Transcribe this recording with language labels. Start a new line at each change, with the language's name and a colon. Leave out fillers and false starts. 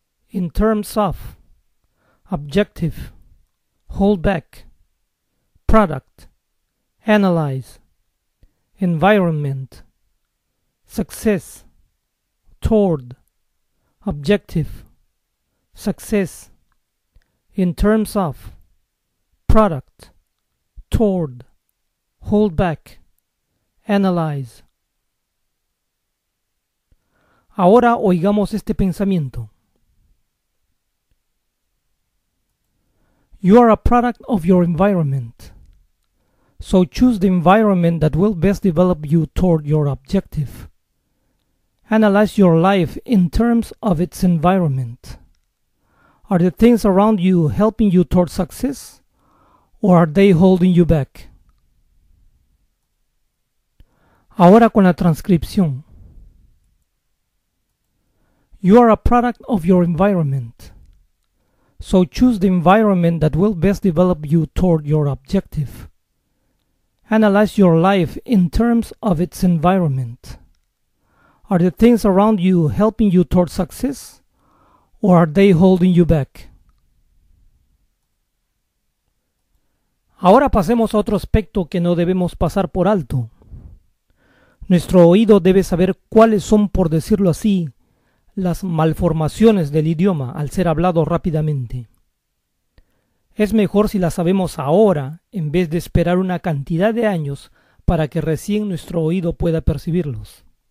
English: In terms of, objective, hold back, product, analyze, environment, success, toward, objective, success, in terms of, product, toward, hold back, analyze.
Spanish: Ahora oigamos este pensamiento.
English: You are a product of your environment. So choose the environment that will best develop you toward your objective. Analyze your life in terms of its environment. Are the things around you helping you toward success, or are they holding you back?
Spanish: Ahora con la transcripción.
English: You are a product of your environment, so choose the environment that will best develop you toward your objective. Analyze your life in terms of its environment. Are the things around you helping you toward success, or are they holding you back?
Spanish: Ahora pasemos a otro aspecto que no debemos pasar por alto. Nuestro oído debe saber cuáles son, por decirlo así, las malformaciones del idioma al ser hablado rápidamente. Es mejor si las sabemos ahora en vez de esperar una cantidad de años para que recién nuestro oído pueda percibirlos.